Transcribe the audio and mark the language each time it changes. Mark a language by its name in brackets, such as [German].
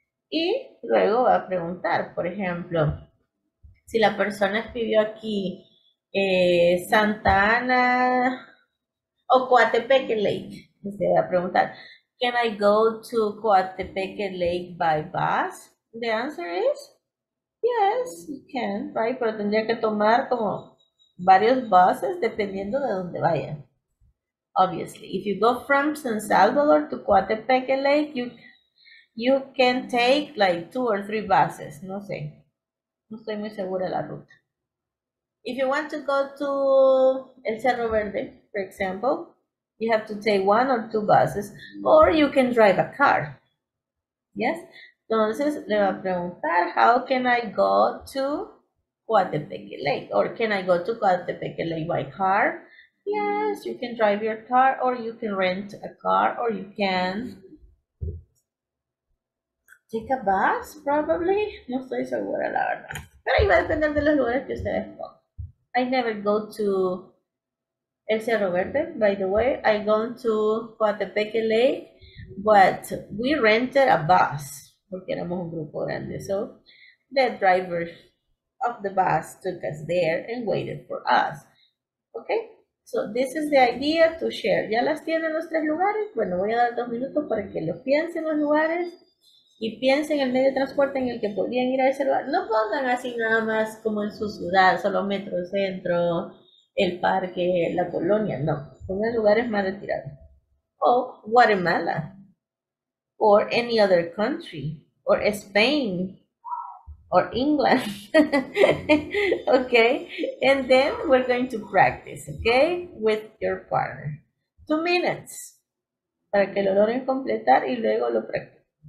[Spanish] Y luego va a preguntar, por ejemplo, si la persona escribió aquí Santa Ana o Coatepeque Lake, se va a preguntar, [English] can I go to Coatepeque Lake by bus? The answer is, yes, you can, right? [Spanish] Pero tendría que tomar como varios buses dependiendo de donde vaya. [English] Obviously, if you go from San Salvador to Coatepeque Lake, you can take like two or three buses. [Spanish] No sé. No estoy muy segura de la ruta. [English] If you want to go to El Cerro Verde, for example, you have to take one or two buses, or you can drive a car. Yes? [Spanish] Entonces, le va a preguntar, [English] how can I go to Coatepeque Lake? Or can I go to Coatepeque Lake by car? Yes, you can drive your car, or you can rent a car, or you can take a bus, probably. [Spanish] No estoy segura, la verdad. Pero ahí va a depender de los lugares que ustedes pongan. [English] I never go to El Cerro Verde, by the way. I go to Coatepeque Lake, but we rented a bus, [Spanish] porque éramos un grupo grande. [English] So the driver of the bus took us there and waited for us. Okay? So this is the idea to share. [Spanish] ¿Ya las tienen los tres lugares? Bueno, voy a dar dos minutos para que los piensen los lugares y piensen el medio de transporte en el que podrían ir a ese lugar. No pongan así nada más como en su ciudad, solo metro, centro, el parque, la colonia. No, pongan lugares más retirados. O Guatemala, [English] or any other country, or Spain, or England. Okay, and then we're going to practice, okay, with your partner. 2 minutes [Spanish] para que lo logren completar y luego lo practiquen.